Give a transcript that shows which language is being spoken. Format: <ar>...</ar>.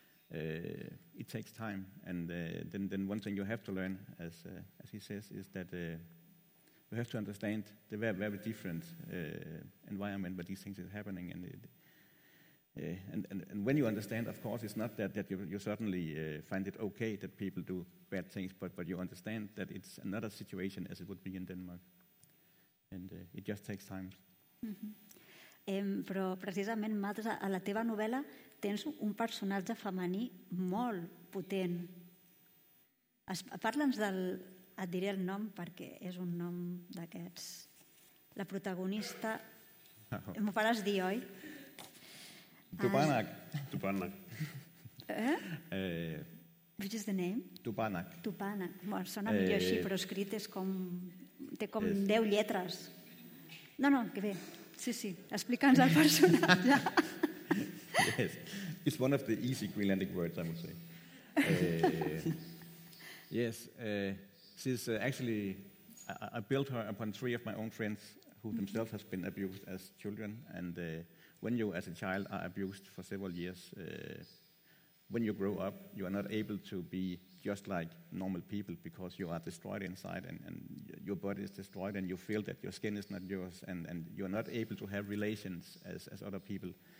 <en>It takes time. And then one thing you have to learn, as he says, is that you have to understand the very, very different environment where these things are happening. And and when you understand, of course, it's not that you certainly find it okay that people do bad things, but you understand that it's another situation as it would be in Denmark. And it just takes time. Mm-hmm.</en> <ca>Però precisament, Mats, a la teva novel·la tens un personatge femení molt potent. Parla'ns del... Et diré el nom perquè és un nom d'aquests. La protagonista... Oh. M'ho faràs dir, oi? Tupanak. Tupanak.</ca> <en>Which is the name? Tupanak. Tupanak.</en> <ca>Bueno, sona millor així, però escrit és com... Té com 10 lletres. No, no, que bé. Sí. Explica'ns el personatge.</ca> <en>Yes. It's one of the easy Greenlandic words, I would say. Yes. She's actually... I built her upon three of my own friends who themselves have been abused as children. And when you, as a child, are abused for several years, when you grow up, you are not able to be just like normal people because you are destroyed inside and your body is destroyed and you feel that your skin is not yours and you are not able to have relations as other people.</en>